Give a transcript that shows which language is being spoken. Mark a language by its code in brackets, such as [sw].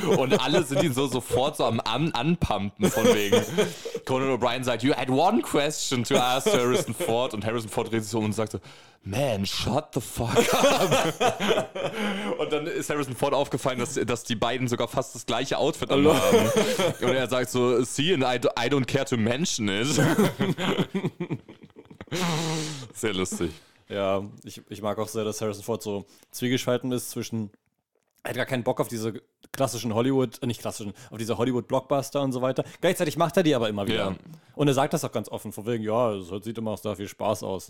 [de] Und alle sind ihn so sofort so am Anpumpen von wegen. Conan O'Brien sagt, [en] you had one question to ask Harrison Ford, [de] und Harrison Ford dreht sich um und sagt so, [en] man, shut the fuck up. [de] Und dann ist Harrison Ford aufgefallen, dass die beiden sogar fast das gleiche Outfit anhaben. Und er sagt so, [en] see, and I don't care to mention it. [de] Sehr lustig. Ja, ich mag auch sehr, dass Harrison Ford so zwiegespalten ist zwischen, er hat gar keinen Bock auf diese klassischen Hollywood, nicht klassischen, auf diese Hollywood-Blockbuster und so weiter. Gleichzeitig macht er die aber immer wieder. Yeah. Und er sagt das auch ganz offen, von wegen, ja, das sieht immer auch sehr viel Spaß aus.